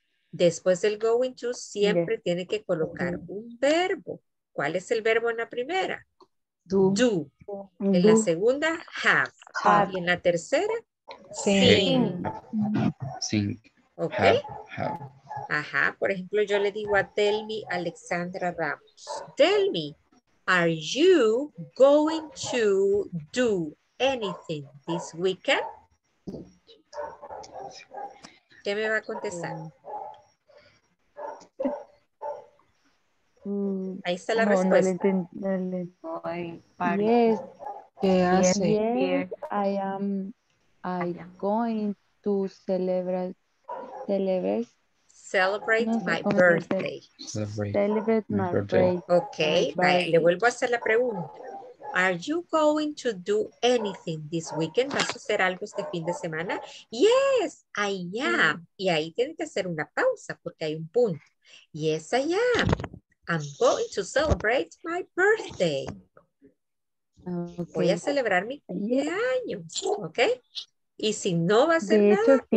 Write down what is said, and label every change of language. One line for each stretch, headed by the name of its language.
Spanish: Después del going to, siempre tiene que colocar un verbo. ¿Cuál es el verbo en la primera?
English: Do.
Spanish: En la segunda, have. Y en la tercera, sing.
English: Sing. Ok. Ajá.
Spanish: Por ejemplo, yo le digo a Delmi Alexandra Ramos.
English: Delmi, are you going to do anything this weekend?
Spanish: ¿Qué me va a contestar? Ahí está la respuesta.
English: Yes.
Spanish: ¿Qué hace?
English: I am going to celebrate my birthday. Celebrate my birthday.
Spanish: Okay, le vuelvo a hacer la pregunta.
English: Are you going to do anything this weekend?
Spanish: ¿Vas a hacer algo este fin de semana?
English: Yes, I am.
Spanish: Y ahí tiene que hacer una pausa porque hay un punto.
English: Yes, I am. I'm going to celebrate my birthday. Okay.
Spanish: Voy a celebrar mi cumpleaños. ¿Ok? Y si no va a hacer nada, sí.